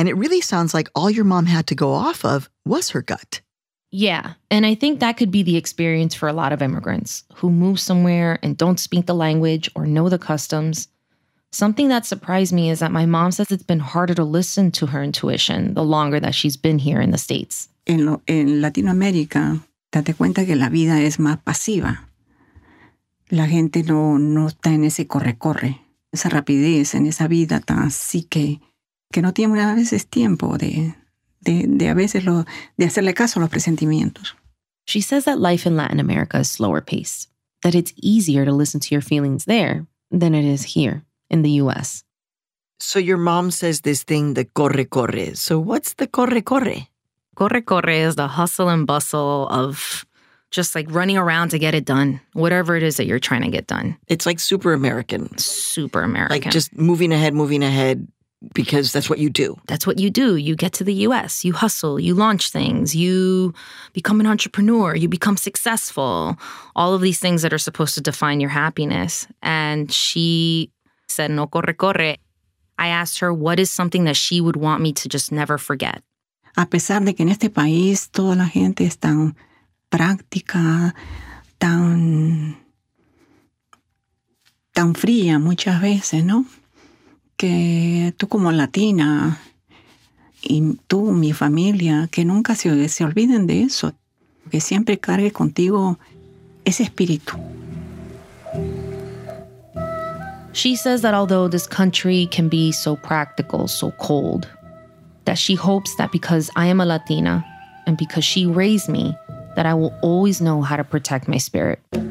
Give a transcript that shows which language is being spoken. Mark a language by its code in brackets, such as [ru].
[en] And it really sounds like all your mom had to go off of was her gut. Yeah. And I think that could be the experience for a lot of immigrants who move somewhere and don't speak the language or know the customs. Something that surprised me is that my mom says it's been harder to listen to her intuition the longer that she's been here in the States. [es] En Latinoamérica, date cuenta que la vida es más pasiva. La gente no está en ese corre-corre, esa rapidez, en esa vida tan así que no tiene a veces tiempo de hacerle caso a los presentimientos. She says that life in Latin America is slower paced, that it's easier to listen to your feelings there than it is here in the U.S. [en] So your mom says this thing, the corre-corre. So what's the corre-corre? Corre-corre is the hustle and bustle of just like running around to get it done, whatever it is that you're trying to get done. It's like super American. Super American. Like just moving ahead, because that's what you do. That's what you do. You get to the U.S., you hustle, you launch things, you become an entrepreneur, you become successful, all of these things that are supposed to define your happiness. And she said, no corre, corre. I asked her, what is something that she would want me to just never forget? [es] A pesar de que en este país toda la gente es tan práctica, tan fría muchas veces, ¿no? Que tú como latina y tú, mi familia, que nunca se olviden de eso, que siempre cargue contigo ese espíritu. [en] She says that although this country can be so practical, so cold, that she hopes that because I am a Latina and because she raised me, that I will always know how to protect my spirit.